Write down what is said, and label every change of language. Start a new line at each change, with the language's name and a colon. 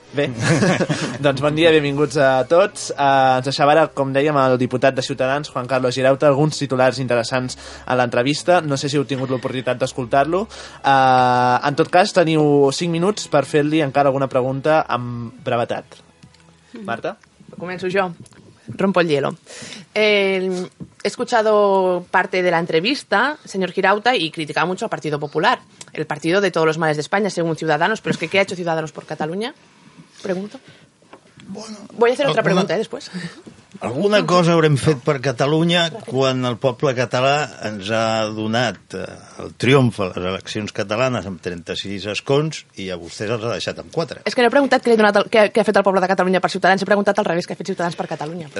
Catalan: Bé, doncs bon dia, benvinguts a tots. Ens deixava ara, com dèiem, el diputat de Ciutadans, Juan Carlos Girauta, alguns titulars interessants a l'entrevista. No sé si heu tingut l'oportunitat d'escoltar-lo. En tot cas, teniu 5 minuts per fer-li encara alguna pregunta amb brevetat. Marta? Començo jo.
Spanish: Rompo el hielo. He escuchado parte de la entrevista, señor Girauta, y criticaba mucho al Partido Popular, el partido de todos los males de España, según Ciudadanos. Pero es que, ¿qué ha hecho Ciudadanos por Cataluña? Pregunto. Bueno, voy a hacer otra pregunta, después.
Catalan: Alguna cosa haurem fet per Catalunya quan el poble català ens ha donat el triomf a les eleccions catalanes amb 36 escons i a vostès els ha deixat amb 4. És que no he preguntat què ha fet el poble de Catalunya per Ciutadans, he preguntat al revés, què ha fet Ciutadans per Catalunya.